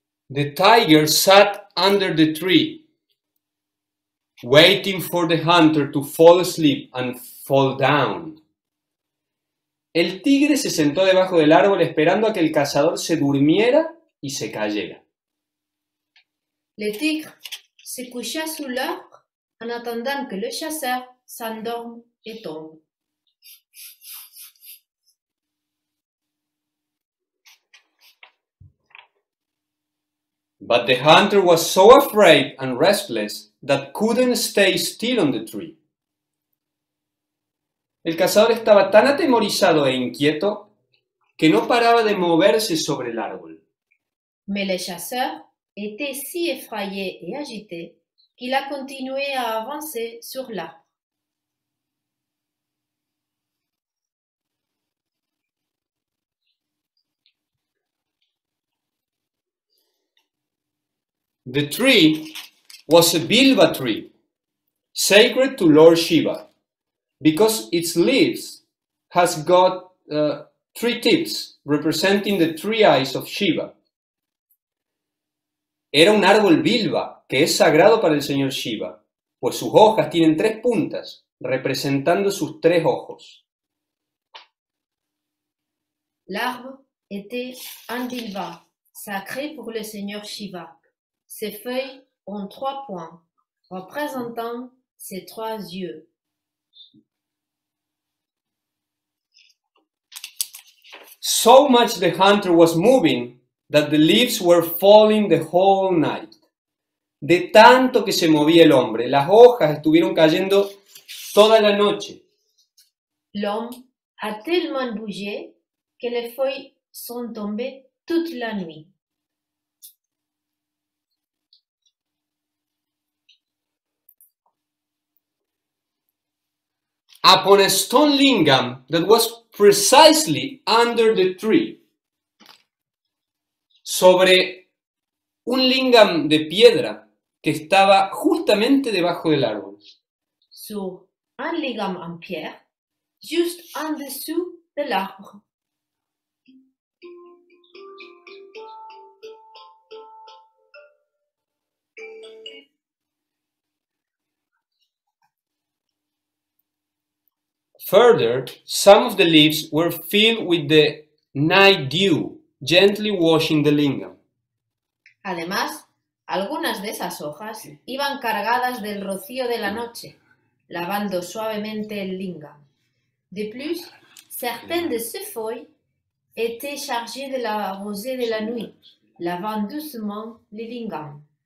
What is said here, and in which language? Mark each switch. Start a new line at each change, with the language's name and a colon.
English: The tiger sat under the tree, waiting for the hunter to fall asleep and fall down.
Spanish: El tigre se sentó debajo del árbol esperando a que el cazador se durmiera y se cayera.
French: Le tigre se coucha sous l'arbre en attendant que le chasseur s'endorme et tombe.
English: But the hunter was so afraid and restless that couldn't stay still on the tree.
Spanish: El cazador estaba tan atemorizado e inquieto que no paraba de moverse sobre el árbol.
French: Mais le chasseur était si effrayé et agité qu'il a continué à avancer sur l'arbre.
English: The tree was a Bilba tree, sacred to Lord Shiva, because its leaves has got three tips representing the three eyes of Shiva.
Spanish: Era un árbol bilba que es sagrado para el señor Shiva, pues sus hojas tienen tres puntas representando sus tres ojos.
French: L'arbre était un bilba, sacré pour le señor Shiva. Ses feuilles ont trois points, représentant ses trois yeux.
English: So much the hunter was moving that the leaves were falling the whole night.
Spanish: De tanto que se movía el hombre, las hojas estuvieron cayendo toda la noche.
French: L'homme a tellement bougé que les feuilles sont tombées toute la nuit.
English: Upon a stone lingam that was precisely under the tree.
Spanish: Sobre un lingam de piedra que estaba justamente debajo del árbol.
French: Sur un lingam en pierre, just en dessous de l'arbre.
English: Further, some of the leaves were filled with the night dew, gently washing the lingam.
Spanish: Además, algunas de esas hojas iban cargadas del rocío de la noche, lavando suavemente el lingam.
French: De plus, certaines de ces feuilles étaient chargées de la rosée de la nuit, lavant doucement le lingam.